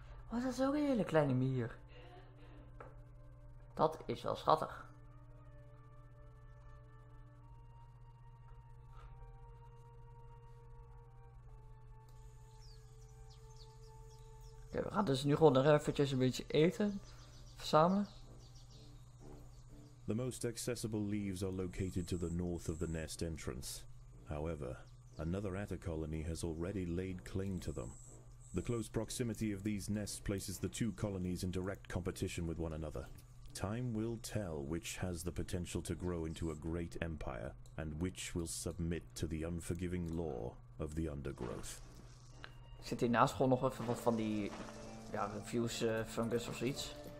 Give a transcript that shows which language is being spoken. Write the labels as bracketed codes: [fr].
[nl] Wat is ook een hele kleine mier. Dat is wel schattig. We gaan dus nu gewoon nog eventjes een beetje eten verzamelen. [en] The most accessible leaves are located to the north of the nest entrance. However, Another Atta colony has already laid claim to them. The close proximity of these nests places the two colonies in direct competition with one another. Time will tell which has the potential to grow into a great empire, and which will submit to the unforgiving law of the undergrowth. [nl] Zit hier naast gewoon nog even wat van die, ja, fuse fungus of zoiets?